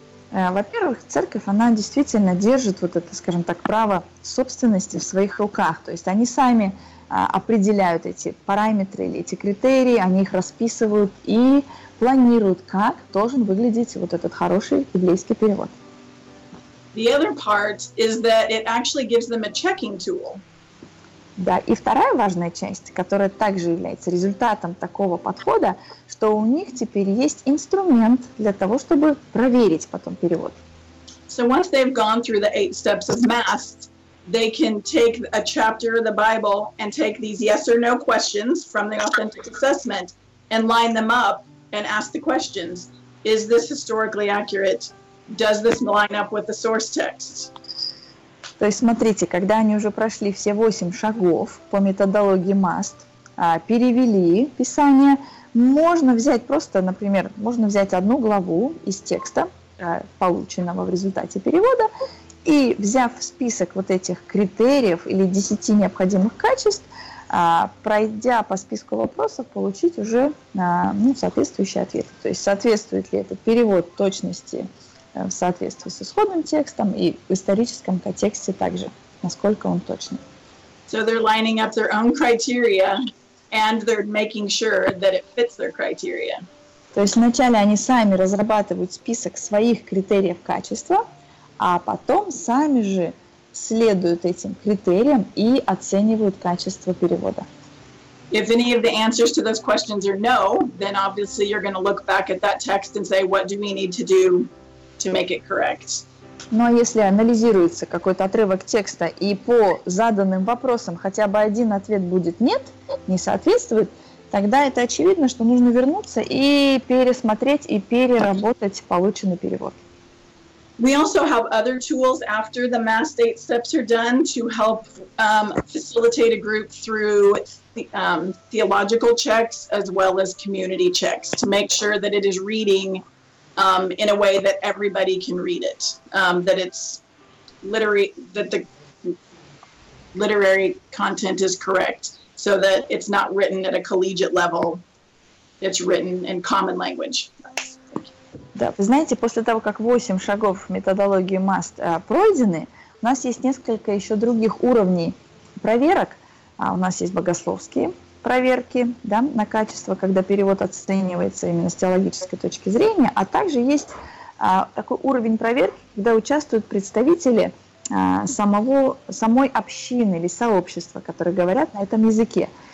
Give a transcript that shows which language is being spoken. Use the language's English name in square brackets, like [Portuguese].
[Russian] Во-первых, церковь, она действительно держит вот это, скажем так, право собственности в своих руках. То есть они сами определяют эти параметры или эти критерии, они их расписывают и планируют, как должен выглядеть вот этот хороший библейский перевод. [English] The other part is that it actually gives them a checking tool. [Russian] Да, и вторая важная часть, которая также является результатом такого подхода, что у них теперь есть инструмент для того, чтобы проверить потом перевод. [English] So once they've gone through the eight steps of math, they can take a chapter of the Bible and take these yes or no questions from the authentic assessment and line them up and ask the questions. Is this historically accurate? Does this line up with the source text? [Russian] То есть смотрите, когда они уже прошли все 8 шагов по методологии MUST, перевели писание, можно взять просто, например, можно взять одну главу из текста, полученного в результате перевода, и взяв список вот этих критериев или 10 необходимых качеств, пройдя по списку вопросов, получить уже соответствующий ответ. То есть соответствует ли этот перевод точности в соответствии с исходным текстом и в историческом контексте также, насколько он точный. [English] So they're lining up their own criteria and they're making sure that it fits their criteria. [Russian] То есть вначале они сами разрабатывают список своих критериев качества, а потом сами же следуют этим критериям и оценивают качество перевода. [English] If any of the answers to those questions are no, then obviously you're going to look back at that text and say, what do we need to do to make it correct? [Russian] Но если анализируется какой-то отрывок текста и по заданным вопросам хотя бы один ответ будет нет, не соответствует, тогда это очевидно, что нужно вернуться и пересмотреть и переработать полученный перевод. [English] We also have other tools after the MUST 8 steps are done to help facilitate a group through theological checks as well as community checks to make sure that it is reading in a way that everybody can read it, that it's literary content is correct, so that it's not written at a collegiate level, it's written in common language. [Russian] Да, вы знаете, после того, как 8 шагов методологии MUST пройдены, у нас есть несколько еще других уровней проверок. У нас есть богословские проверки, да, на качество, когда перевод оценивается именно с теологической точки зрения, а также есть такой уровень проверки, когда участвуют представители самой общины или сообщества, которые говорят на этом языке.